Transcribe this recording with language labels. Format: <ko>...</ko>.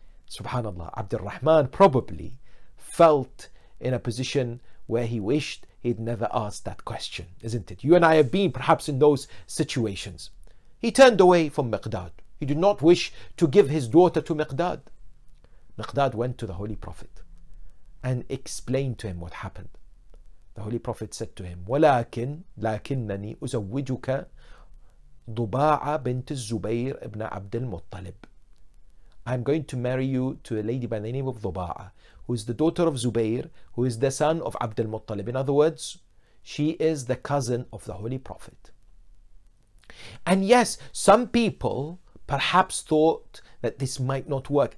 <en>Subhanallah, Abdurrahman probably felt in a position where he wished he'd never asked that question, isn't it? You and I have been perhaps in those situations. He turned away from Miqdad. He did not wish to give his daughter to Miqdad. Miqdad went to the Holy Prophet and explained to him what happened. The Holy Prophet said to him,</en> <ar>ولكن لكنني أزوجك ضباعة بنت الزبير ابن عبد المطلب.</ar> <en>I'm going to marry you to a lady by the name of Dhuba'a, who is the daughter of Zubair, who is the son of Abd al-Muttalib. In other words, she is the cousin of the Holy Prophet. And yes, some people perhaps thought that this might not work.</en>